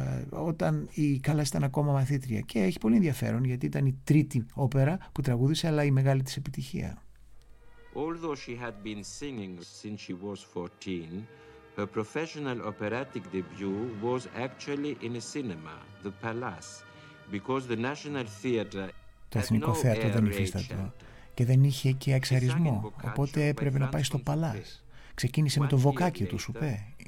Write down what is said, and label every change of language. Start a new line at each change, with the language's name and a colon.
Greek: Όταν η Κάλλας ήταν ακόμα μαθήτρια, και έχει πολύ ενδιαφέρον γιατί ήταν η τρίτη όπερα που τραγούδησε, αλλά η μεγάλη της επιτυχία.
English: Although she had been singing since she was 14, her professional operatic debut was actually in a cinema, the Palace, because the National Theatre.
Greek: Το Εθνικό Θέατρο ήταν υφίστατο και δεν είχε και εξαρισμό, οπότε έπρεπε να πάει στο Palace. Ξεκίνησε με το βοκάκι του Σουπέ.